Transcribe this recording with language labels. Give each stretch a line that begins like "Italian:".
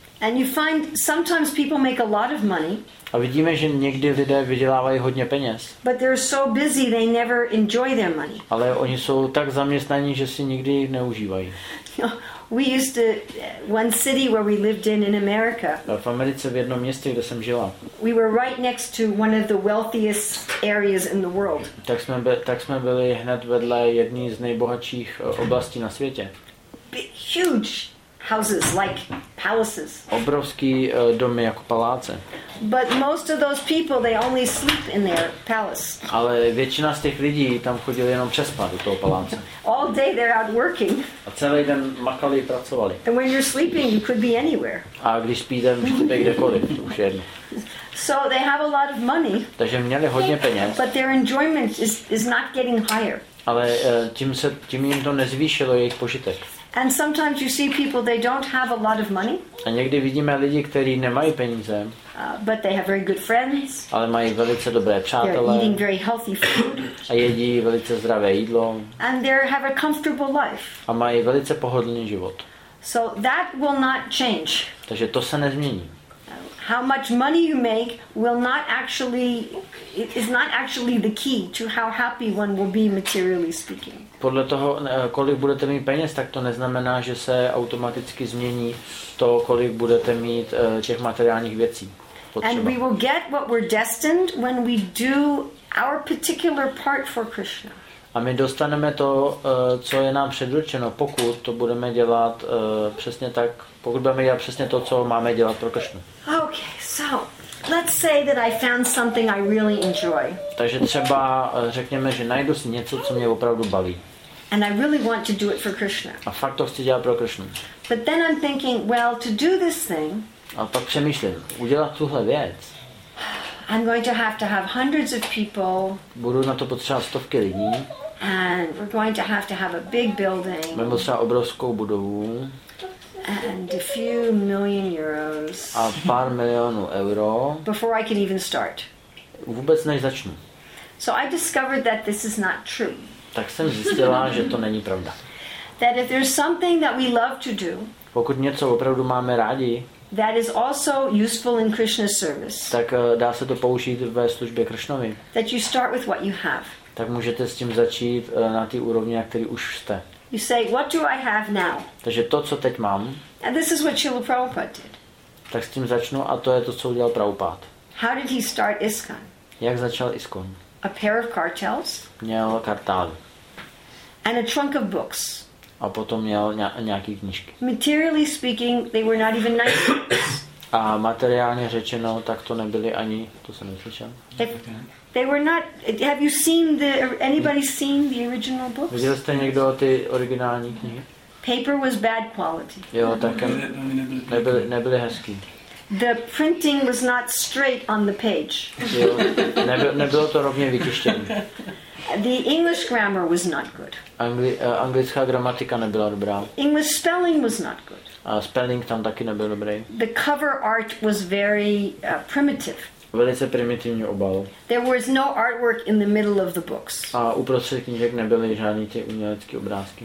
English: And you find sometimes people make a lot of money.
Czech: A vidíme, že někdy lidé vydělávají hodně peněz.
English: But they're so busy they never enjoy their money.
Czech: Ale oni jsou tak zaměstnaní, že si nikdy jich neužívají.
English: We used to one city where we lived in America.
Czech: V Americe v jednom městě, kde jsem žila.
English: We were right next to one of the wealthiest areas in the world.
Czech: Tak jsme byli hned vedle jedné z nejbohatších oblastí na světě.
English: Huge houses like palaces.
Czech: Obrovský domy jako paláce.
English: But most of those people they only sleep in their palace.
Czech: Ale většina z těch lidí tam chodili jenom přespat do toho paláce.
English: All day they're out working.
Czech: A celý den makali, pracovali.
English: And when you're sleeping you could be anywhere.
Czech: A když spíte, můžete být kdekoliv, to už je jedno.
English: So they have a lot of money.
Czech: Takže měli hodně peněz.
English: But their enjoyment is not getting higher.
Czech: Ale tím jim to nezvýšilo jejich požitek.
English: And sometimes you see people they don't have a lot of money.
Czech: A někdy vidíme lidi, kteří nemají peníze.
English: But they have very good friends.
Czech: Ale mají velice dobré přátelé.
English: They're eating very healthy food.
Czech: A jedí velice zdravé jídlo.
English: And they have a comfortable life.
Czech: A mají velice pohodlný život.
English: So that will not change.
Czech: Takže to se nezmění.
English: How much money you make will not actually is not actually the key to how happy one will be materially speaking.
Czech: Podle toho, kolik budete mít peněz, tak to neznamená, že se automaticky změní to, kolik budete mít těch materiálních věcí. Potřeba.
English: And we will get what we're destined when we do our particular part for Krishna.
Czech: A my dostaneme to, co je nám předurčeno, pokud to budeme dělat přesně tak, pokud budeme dělat přesně to, co máme dělat pro Krishnu.
English: Okay, so let's say that I found something I really enjoy.
Czech: Takže třeba řekněme, že najdu si něco, co mě opravdu baví.
English: And I really want to do it for Krishna.
Czech: A fakt to chci dělat pro Krishnu.
English: But then I'm thinking, well, to do this thing.
Czech: A pak přemýšlím, udělat tuhle věc.
English: I'm going to have hundreds of people.
Czech: Budu na to potřebovat stovky lidí.
English: And we're going to have a big building.
Czech: Budeme potřebovat obrovskou budovu.
English: And a few million euros.
Czech: A pár milionů euro.
English: Before I can even start.
Czech: Vůbec než začnu.
English: So I discovered that this is not true.
Czech: Tak jsem zjistila, že to není pravda.
English: That if there's something that we love to do.
Czech: Pokud něco opravdu máme rádi.
English: That is also useful in Krishna's service.
Czech: Tak dá se to použít ve službě Krishnovi.
English: That you start with what you have.
Czech: Tak můžete s tím začít na té úrovni, na který už jste.
English: You say, what do I have now?
Czech: Takže to, co teď mám.
English: And this is what Srila Prabhupada did.
Czech: Tak s tím začnu a to je to, co udělal Prabhupada.
English: How did he start ISKCON?
Czech: Jak začal ISKCON?
English: A pair of cartels.
Czech: Měl kartál.
English: And a trunk of books.
Czech: A potom měl nějaký knížky.
English: Materially speaking, they were not even nice books.
Czech: A materiálně řečeno, tak to nebyly ani, to jsem neslyšel.
English: They were not, have you seen the, anybody seen the original books?
Czech: Viděl jste někdo ty originální knihy?
English: Paper was bad quality.
Czech: Jo, tak nebyly hezký.
English: The printing was not straight on the page.
Czech: Jo, nebylo to rovně vytištěné.
English: The English grammar was not good.
Czech: Anglická gramatika nebyla dobrá.
English: English spelling was not good.
Czech: A spelling tam taky nebyl dobrý.
English: The cover art was very primitive.
Czech: Velice primitivní obal.
English: There was no artwork in the middle of the books.
Czech: A uprostřed knížek nebyly žádný ty umělecké obrázky.